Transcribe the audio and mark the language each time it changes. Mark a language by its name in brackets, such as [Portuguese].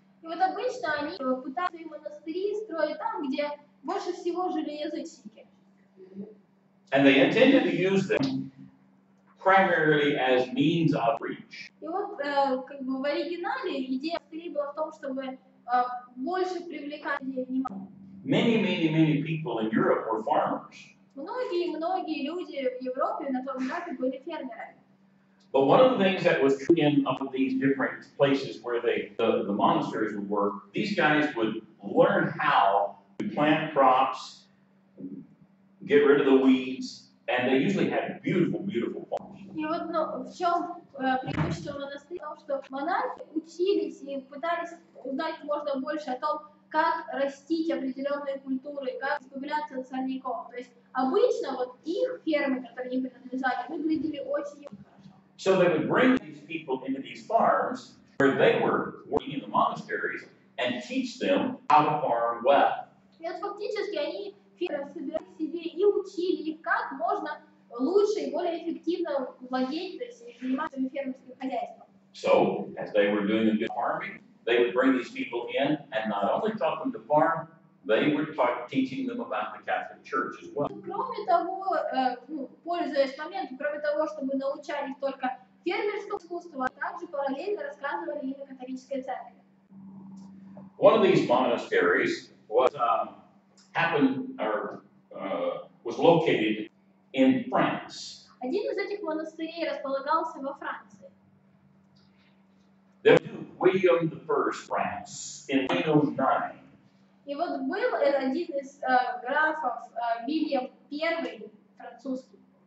[Russian] И вот обычно они пытаются свои монастыри строить там, где больше всего жили язычники. [English] And they intended to use them primarily as means of reach. [Russian] И вот как бы в оригинале идея монастырей была в том, чтобы больше привлекать внимание. [English] Many, many, many people in Europe were farmers. [Russian] Многие люди в Европе на том этапе были фермерами. [English] But one of the things that was true in all of these different places where the monasteries would work, these guys would learn how to plant crops, get rid of the weeds, and they usually had beautiful, beautiful farms. [Russian] И вот в чем преимущество монастыря, в том, что монахи учились и пытались узнать можно больше о том, как растить определенные культуры, как избавляться от сорняков. То есть обычно вот их фермы, которые им принадлежали, выглядели очень. [English] So they would bring these people into these farms where they were working in the monasteries and teach them how to farm well. [Russian] И вот фактически они собирали себе и учили их, как можно лучше и более эффективно владеть, то есть заниматься фермерским хозяйством. [English] So, as they were doing a good farming, they would bring these people in and not only taught them to farm, they were teaching them about the Catholic Church as well. [Russian] Кроме того, пользуясь моментом, кроме того, чтобы научать их только фермерскому искусству, а также параллельно рассказывали им о католической церкви. [English] One of these monasteries was was located in France. [Russian] Один из этих монастырей располагался во Франции. [English] There was William I France in 1809. [Russian] И вот был один из графов Вильям I французский.